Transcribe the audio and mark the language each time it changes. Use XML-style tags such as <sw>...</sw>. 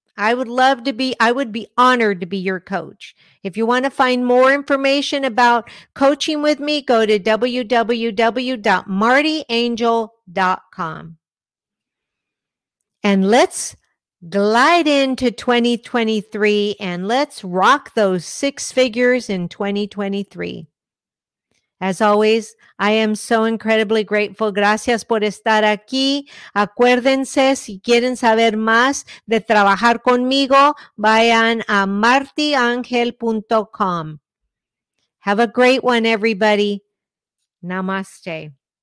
<en>I would be honored to be your coach. If you want to find more information about coaching with me, go to www.martyangel.com. And let's glide into 2023 and let's rock those six figures in 2023. As always, I am so incredibly grateful.</en> <es>Gracias por estar aquí. Acuérdense, si quieren saber más de trabajar conmigo, vayan a martyangel.com.</es> <en>Have a great one, everybody. Namaste.</en>